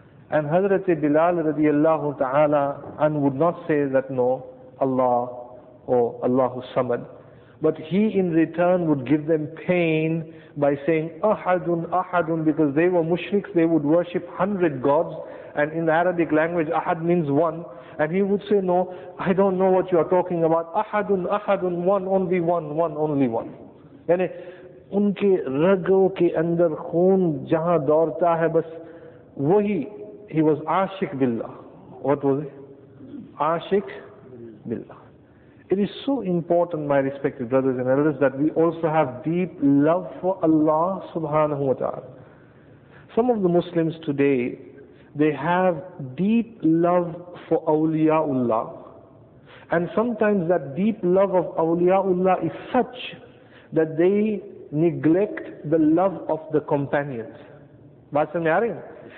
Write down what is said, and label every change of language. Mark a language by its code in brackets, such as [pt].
[en] And Hazrat Bilal radiallahu ta'ala and would not say that no, Allah or Allahu Samad. But he in return would give them pain by saying ahadun, ahadun, because they were mushriks, they would worship 100 gods. And in the Arabic language, ahad means one. And he would say, no, I don't know what you are talking about. Ahadun, ahadun, one only one, one only one. [ur] یعنی ان کے رگوں کے اندر خون جہاں دورتا ہے بس وہی [en] he was [ur] عاشق باللہ [en] what was it? عاشق باللہ it is so important my respected brothers and elders that we also have deep love for Allah subhanahu wa ta'ala some of the Muslims today they have deep love for awliyaullah and sometimes that deep love of awliyaullah is such that they neglect the love of the companions. [ur] Baat samjh aa rahi hai?